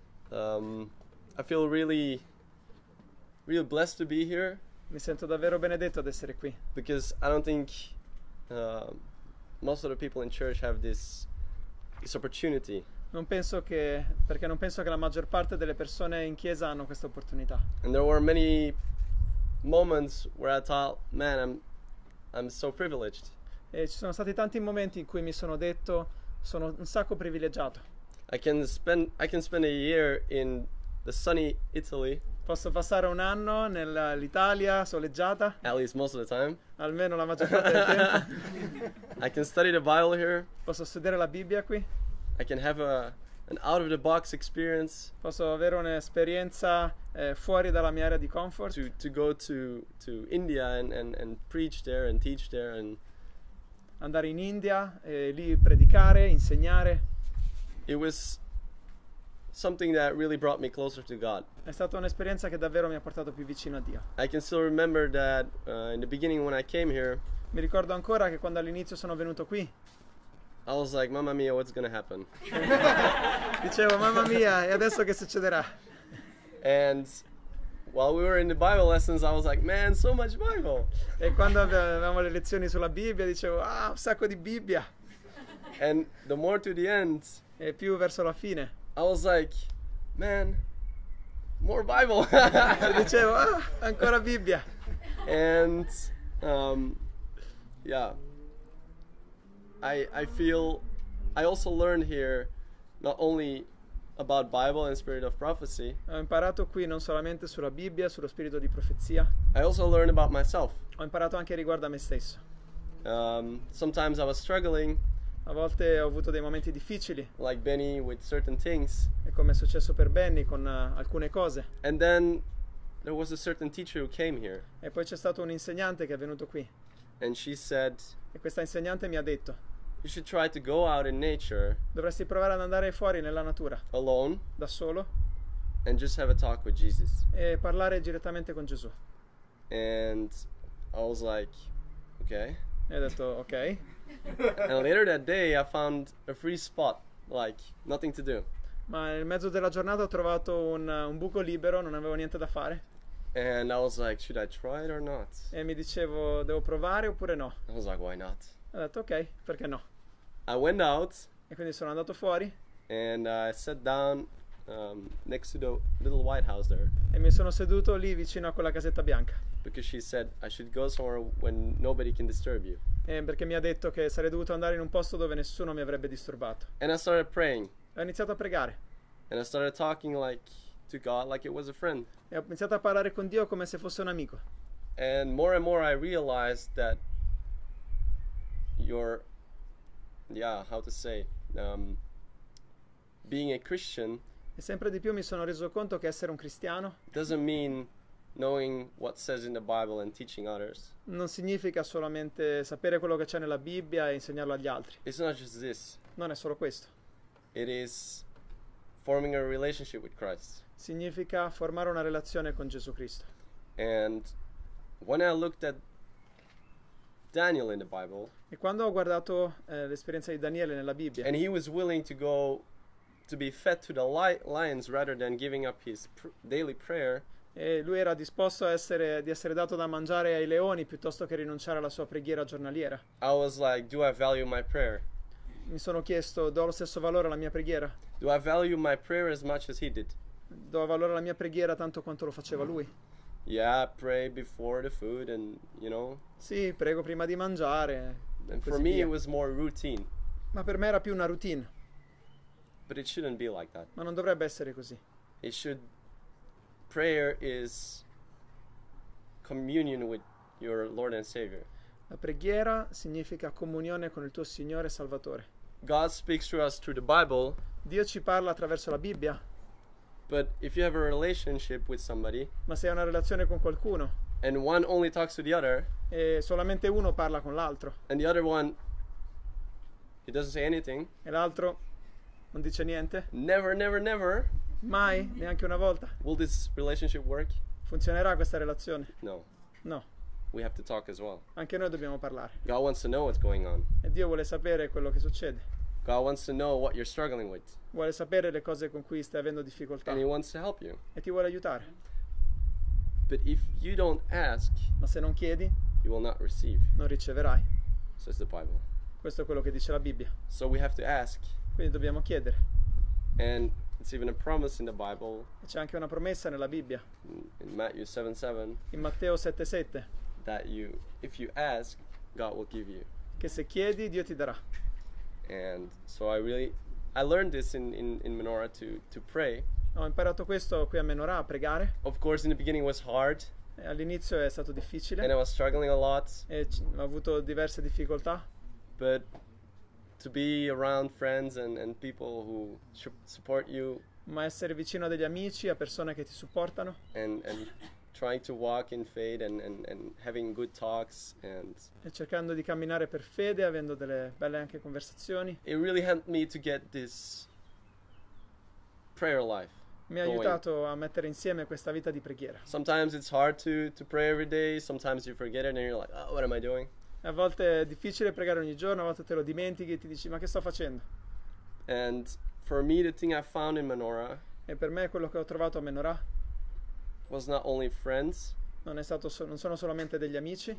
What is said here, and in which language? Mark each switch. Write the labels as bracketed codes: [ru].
[en] I feel really, really blessed to be here. [it] Mi sento davvero benedetto ad essere qui. [en] Because I don't think most of the people in church have this. Opportunity. [it] Non penso che la maggior parte delle persone in chiesa hanno questa opportunità. [en] And there were many moments where I thought, man, I'm so privileged. [it] E ci sono stati tanti momenti in cui mi sono detto, sono un sacco privilegiato. [en] I can spend a year in the sunny Italy. [it] Posso passare un anno nell'Italia soleggiata. [en] At least most of the time. [it] Almeno la maggior parte del tempo. [en] I can study the Bible here. [it] Posso studiare la Bibbia qui. [en] I can have an out of the box experience. [it] Posso avere un'esperienza fuori dalla mia area di comfort. [en] To go to India and preach there and teach there and [it] andare in India e lì predicare, insegnare. [en] It was something that really brought me closer to God. [it] È stata un'esperienza che davvero mi ha portato più vicino a Dio. [en] I can still remember that in the beginning when I came here. [it] Mi ricordo ancora che quando all'inizio sono venuto qui. [en] I was like, mamma mia, what's gonna happen? [it] Dicevo, mamma mia, e adesso che succederà? [en] And while we were in the Bible lessons, I was like, man, so much Bible. [it] E quando avevamo le lezioni sulla Bibbia, dicevo, ah, un sacco di Bibbia. [en] And the more to the end. [it] E più verso la fine. [en] I was like, man, more Bible. [it] Dicevo, ah, ancora Bibbia. [en] And, yeah, I feel, I also learned here not only about Bible and spirit of prophecy. [it] Ho imparato qui non solamente sulla Bibbia, sullo spirito di profezia. [en] I also learned about myself. [it] Ho imparato anche riguardo a me stesso. [en] Sometimes I was struggling. [it] A volte ho avuto dei momenti difficili. [en] Like Benny with certain things. [it] E come è successo per Benny con alcune cose. [en] And then there was a certain teacher who came here. [it] E poi c'è stato un insegnante che è venuto qui. [en] And she said. [it] E questa insegnante mi ha detto. [en] You should try to go out in nature. [it] Dovresti provare ad andare fuori nella natura. [en] Alone. [it] Da solo. [en] And just have a talk with Jesus. [it] E parlare direttamente con Gesù. [en] And I was like, okay. [it] E ho detto, ok. [en] And later that day I found a free spot, like nothing to do. [it] Ma nel mezzo della giornata ho trovato un buco libero, non avevo niente da fare. [en] And I was like, should I try it or not? [it] E mi dicevo, devo provare oppure no? [en] I was like, why not? [it] Ho detto, ok, perché no? [en] I went out. [it] E quindi sono andato fuori. [en] And I sat down next to the little white house there. [it] E mi sono seduto lì vicino a quella casetta bianca. [en] Because she said I should go somewhere when nobody can disturb you. [it] E perché mi ha detto che sarei dovuto andare in un posto dove nessuno mi avrebbe disturbato. [en] And I started praying. [it] E ho iniziato a pregare. [en] And I started talking like to God like it was a friend. [it] E ho iniziato a parlare con Dio come se fosse un amico. [en] And more I realized that your being a Christian. [it] E sempre di più mi sono reso conto che essere un cristiano [en] doesn't mean knowing what says in the Bible and teaching others. [it] Non significa solamente sapere quello che c'è nella Bibbia e insegnarlo agli altri. [en] It's not just this. [it] Non è solo questo. [en] It is forming a relationship with Christ. [it] Significa formare una relazione con Gesù Cristo. [en] And when I looked at Daniel in the Bible. [it] E quando ho guardato l'esperienza di Daniele nella Bibbia. [en] And he was willing to go to be fed to the lions rather than giving up his daily prayer. [it] E lui era disposto a essere di essere dato da mangiare ai leoni piuttosto che rinunciare alla sua preghiera giornaliera. [en] I was like, do I value my prayer? [it] Mi sono chiesto, do lo stesso valore alla mia preghiera? [en] Do I value my prayer as much as he did? [it] Do valore alla mia preghiera tanto quanto lo faceva lui? [en] Yeah, I pray before the food and, you know. [it] Sì, prego prima di mangiare. [en] And for me it was more routine. [it] Ma per me era più una routine. [en] But it shouldn't be like that. [it] Ma non dovrebbe essere così. [en] It should prayer is communion with your Lord and Savior. [it] La preghiera significa comunione con il tuo Signore e Salvatore. [en] God speaks to us through the Bible. [it] Dio ci parla attraverso la Bibbia. [en] But if you have a relationship with somebody, [it] ma se hai una relazione con qualcuno, [en] and one only talks to the other, [it] e solamente uno parla con l'altro, [en] and the other one, he doesn't say anything, [it] e l'altro non dice niente, [en] never, [it] mai, neanche una volta, [en] will this relationship work? [it] Funzionerà questa relazione? [en] No. We have to talk as well. [it] Anche noi dobbiamo parlare. [en] God wants to know what's going on. [it] E Dio vuole sapere quello che succede. [en] God wants to know what you're struggling with. [it] Vuole sapere le cose con cui stai avendo difficoltà. [en] And he wants to help you. [it] E ti vuole aiutare. [en] But if you don't ask, [it] ma se non chiedi, [en] you will not receive. [it] Non riceverai. [en] Says the Bible. [it] Questo è quello che dice la Bibbia. [en] So we have to ask. [it] Quindi dobbiamo chiedere. [en] And it's even a promise in the Bible. [it] C'è anche una promessa nella Bibbia. [en] In Matthew 7:7. [it] In Matteo 7:7. [en] That you, if you ask, God will give you. [it] Che se chiedi, Dio ti darà. [en] And so I learned this in Menorah to pray. [it] Ho imparato questo qui a Menorah, a pregare. [en] Of course in the beginning it was hard. [it] E all'inizio è stato difficile. [en] And I was struggling a lot. [it] E ho avuto diverse difficoltà. [en] But to be around friends and people who support you. [it] Ma essere vicino a degli amici, a persone che ti supportano. [en] And trying to walk in faith and having good talks and [it] e cercando di camminare per fede avendo delle belle anche conversazioni. [en] It really helped me to get this prayer life. [it] Mi ha aiutato a mettere insieme questa vita di preghiera. [en] Sometimes it's hard to pray every day. Sometimes you forget it and you're like, oh, what am I doing? [it] A volte è difficile pregare ogni giorno. A volte te lo dimentichi e ti dici, ma che sto facendo? [en] And for me, the thing I found in Menorah. [it] E per me quello che ho trovato a Menorah. [en] Was not only friends, [it] non è stato non sono solamente degli amici,